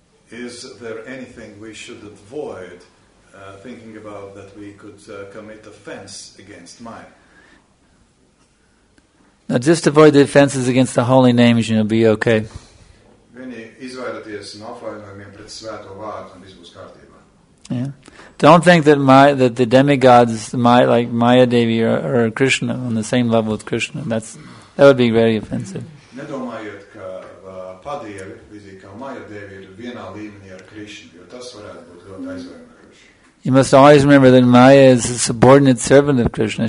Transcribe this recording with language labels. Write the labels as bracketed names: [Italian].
[English] Is there anything we should avoid thinking about that we could commit offense against Maya? Now just avoid the offenses against the holy names and you'll be okay. [Latvian] Vieni izvairoties no apvainojumiem pret svēto vārdu un viss būs kārtībā. [English] Yeah. Don't think that the demigods, like Maya Devi or Krishna, on the same level with Krishna. That would be very offensive. [Latvian] Nedomājiet, ka padievi, līdzīgi kā Maya Devi, ir vienā līmenī ar Krishna, jo tas varētu būt ļoti aizvainojoši. [English] You must always remember that Maya is a subordinate servant of Krishna.